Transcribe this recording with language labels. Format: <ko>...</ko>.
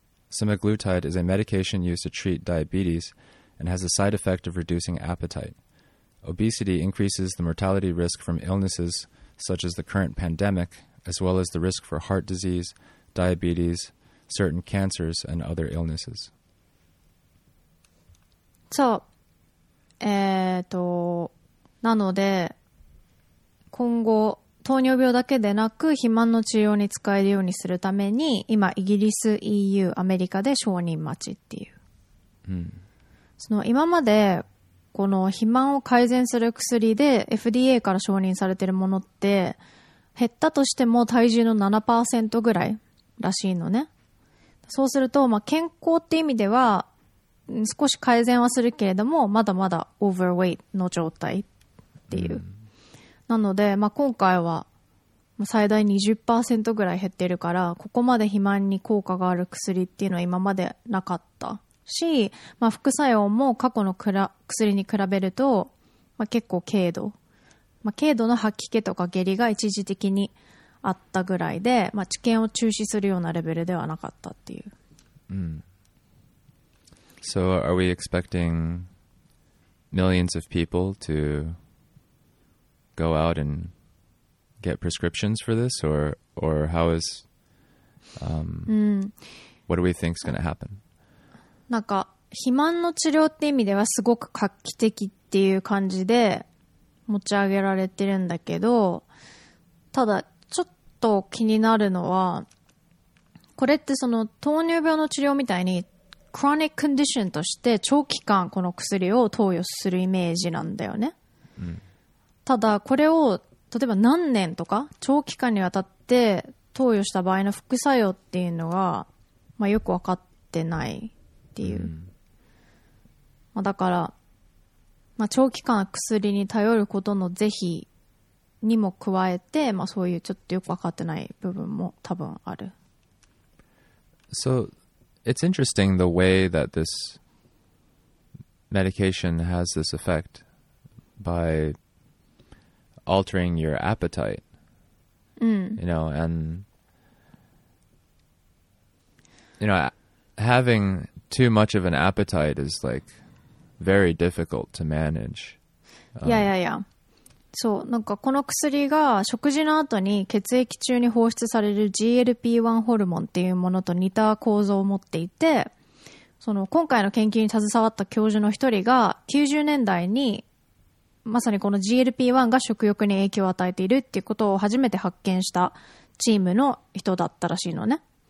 <en>Semaglutide is a medication used to treat diabetes and has a side effect of reducing appetite. Obesity increases the mortality risk from illnesses such as the current pandemic, as well as the risk for heart disease, diabetes, certain cancers, and other illnesses. So,</en> <ja>なので、今後糖尿病だけでなく肥満の治療に使えるようにするために、今イギリス、EU、アメリカで承認待ちっていう、その今までこの肥満を改善する薬で FDA から承認されているものって、減ったとしても体重の 7% ぐらいらしいのね。そうすると、まあ、健康って意味では少し改善はするけれども、まだまだ overweight の状態っていう、なので、まあ、今回は最大 20% ぐらい減ってるから、ここまで肥満に効果がある薬っていうのは今までなかったし、まあ、副作用も過去の薬に比べると、まあ、結構軽度、まあ、軽度の吐き気とか下痢が一時的にあったぐらいで、まあ、治験を中止するようなレベルではなかったっていう。</ja> <en>So are we expecting millions of people to go out and get prescriptions for this, or how is what do we think is going to happen?</en> <ja>なんか肥満の治療って意味ではすごく画期的っていう感じで持ち上げられてるんだけど、ただちょっと気になるのは、これってその糖尿病の治療みたいにクロニックコンディションとして長期間この薬を投与するイメージなんだよね。ただこれを例えば何年とか長期間にわたって投与した場合の副作用っていうのは、まあ、よく分かってないっていう、まあ、だから、まあ、長期間薬に頼ることの是非にも加えて、まあ、そういうちょっとよく分かってない部分も多分ある。</ja> <en>So it's interesting the way that this medication has this effect byaltering your appetite, you know, and, you know, having too much of an appetite is like very difficult to manage. Yeah, yeah, yeah.</en> <ja>So, なんかこの薬が食事の後に血液中に放出される GLP-1 ホルモンっていうものと似た構造を持っていて、その今回の研究に携わった教授の一人が90年代にまさにこの GLP-1 が食欲に影響を与えているっていうことを初めて発見したチームの人だったらしいのね、</ja>